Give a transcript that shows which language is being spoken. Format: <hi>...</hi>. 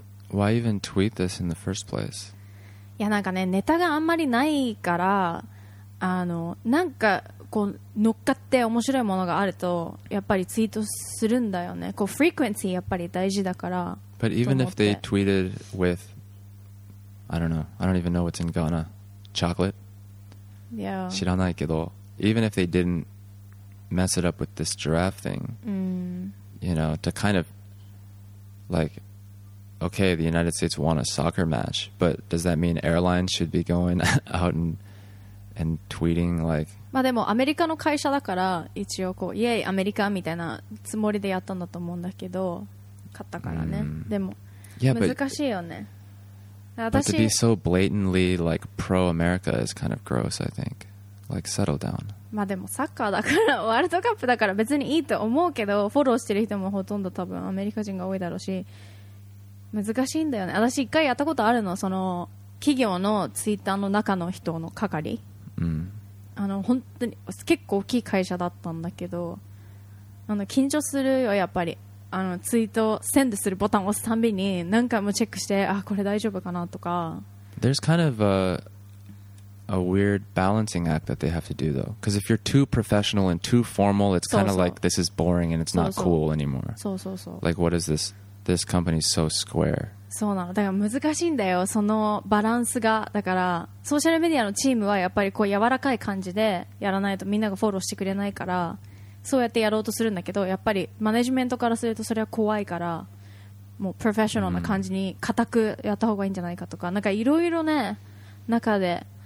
<en>Why even tweet this in the first place?</en> <ja>いやなんかね、ネタがあんまりないから、なんかこう乗っかって面白いものがあるとやっぱりツイートするんだよね。こうフリクエンシーやっぱり大事だから。</ja> <en>But even if they tweeted with I don't know, I don't even know what's in Ghana. Chocolate? Yeah.</en> <ja>知らないけど、</ja> <en>even if they didn't mess it up with this giraffe thing、 mm. you know, to kind of likeOkay, the United States won a soccer match, but does that mean airlines should be going out and tweeting like?</en> <ja>まあでもアメリカの会社だから一応こうイエイアメリカみたいなつもりでやったんだと思うんだけど、勝ったからね。 Mm. でも難しいよね。</ja> <en>Yeah, but to be so blatantly like pro-America is kind of gross, I think. Like, settle down.</en> <ja>まあでもサッカーだからワールドカップだから別にいいと思うけど、フォローしてる人もほとんど多分アメリカ人が多いだろうし。難しいんだよね。私一回やったことあるの、その企業のツイッターの中の人の係、うん、本当に結構大きい会社だったんだけど、緊張するよやっぱり。ツイートセンドするボタンを押すたびに何回もチェックして、あ、これ大丈夫かなとか。</ja> <en>There's kind of a weird balancing act that they have to do though, because if you're too professional and too formal, it's kind of like this is boring and it's not cool anymore.</en> <ja>そうそうそう。</ja> <en>Like what is thisThis company is so square.</en> <ja>そうなの。だから難しいんだよ、そのバランスが。だからソーシャルメディアのチームはやっぱりこう柔らかい感じでやらないとみんながフォローしてくれないから、そうやってやろうとするんだけど、やっぱりマネジメントからするとそれは怖いから、もうプロフェッショナルな感じに固くやった方がいいんじゃないかとか、なんかいろいろね、中で。</ja>